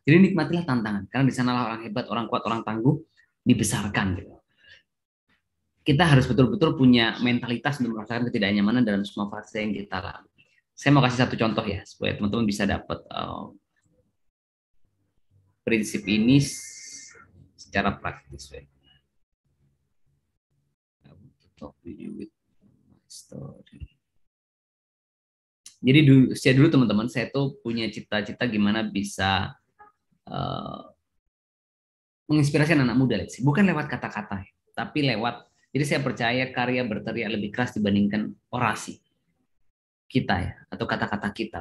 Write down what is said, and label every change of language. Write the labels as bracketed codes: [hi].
[id] Jadi nikmatilah tantangan, karena di sanalah orang hebat, orang kuat, orang tangguh dibesarkan. Gitu. Kita harus betul-betul punya mentalitas untuk merasakan ketidaknyamanan dalam semua fase yang kita lalui. Saya mau kasih satu contoh ya, supaya teman-teman bisa dapat prinsip ini secara praktis. [en] I want to talk to you with my story. [id] Jadi saya dulu teman-teman, saya tuh punya cita-cita gimana bisa menginspirasi anak muda. Bukan lewat kata-kata, tapi lewat. Jadi saya percaya karya berteriak lebih keras dibandingkan orasi kita ya, atau kata-kata kita.